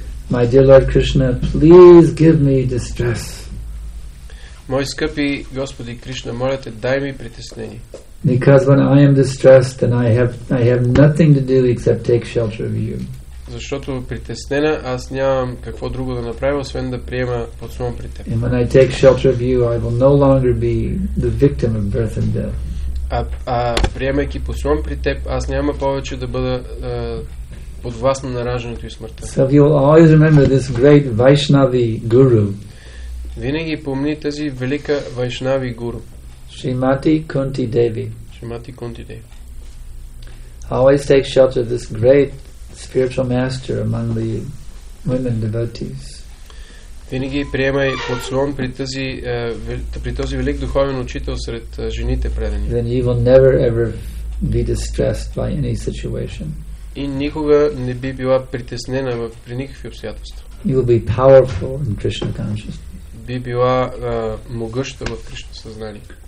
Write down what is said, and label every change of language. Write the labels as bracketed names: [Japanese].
[English] My dear Lord Krishna, please give me distress. [Bulgarian] Мой скъпи Господи Кришна, моля те, дай ми притеснение. [English] Because when I am distressed, then I have nothing to do except take shelter of you. [Bulgarian] Защото притеснена, аз нямам какво друго да направя, освен да приема подслон при теб. [English] And when I take shelter of you, I will no longer be the victim of birth and death. [Bulgarian] А приемайки подслон при теб, аз няма повече да бъда подвластна на раждането и смъртта. [English] So you will always remember this great Vaishnavi guru. [Bulgarian] Винаги помни тази велика вайшнави гуру. Шримати Кунти Деви. Шримати Кунти Деви. [English] Always take shelter of this great spiritual master among the women devotees. [Bulgarian] Винаги приемай подслон при този велик духовен учител сред жените предани. [English] Then you will never ever be distressed by any situation. [Bulgarian] И никога не би била притеснена при никакви обстоятелства. [English] You will be powerful in Krishna consciousness. [Bulgarian] Би била могъща в Кришна съзнание.